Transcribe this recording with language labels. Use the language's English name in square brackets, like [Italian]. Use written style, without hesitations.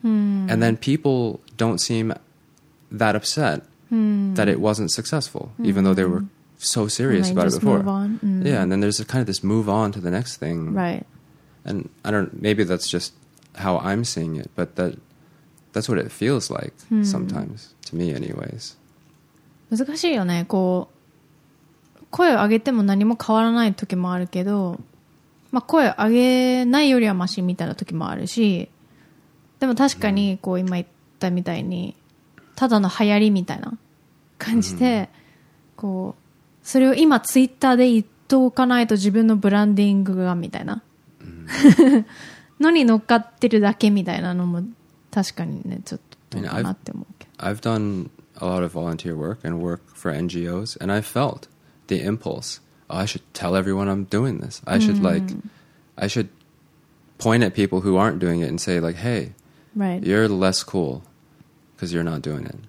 [English] And then people don't seem that upset that it wasn't successful, even though they were so serious about it before. Yeah, and then there's a kind of this move on to the next thing. Right. And I don't, maybe that's just how I'm seeing it, but that's what it feels like sometimes, to me anyways. [Japanese] 難しいよね。こう、声を上げても何も変わらない時もあるけど、まあ、声上げないよりはマシみたいな時もあるし、でも確かにこう今言ったみたいにただの流行りみたいな感じで、こうそれを今ツイッターで言っとかないと自分のブランディングがみたいなのに乗っかってるだけみたいなのも確かにね、ちょっとどうかなって思うけど。 [English] I've done a lot of volunteer work and work for NGOs, and I felt the impulseI should tell everyone I'm doing this. I should like, I should point at people who aren't doing it and say like, hey, right. You're less cool because you're not doing it.